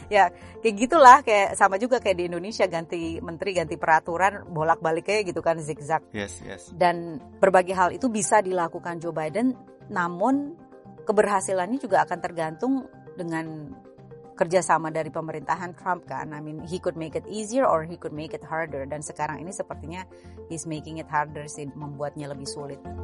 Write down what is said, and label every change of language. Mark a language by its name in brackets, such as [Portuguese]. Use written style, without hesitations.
[Indonesian] Ya, kayak gitulah, kayak sama juga kayak di Indonesia, ganti menteri, ganti peraturan, bolak-balik kayak gitu kan, zigzag. Yes, yes. Dan berbagai hal itu bisa dilakukan Joe Biden, namun keberhasilannya juga akan tergantung dengan kerjasama dari pemerintahan Trump kan. [English] I mean, he could make it easier or he could make it harder. [Indonesian] Dan sekarang ini sepertinya [English] he's making it harder [Indonesian] sih, membuatnya lebih sulit.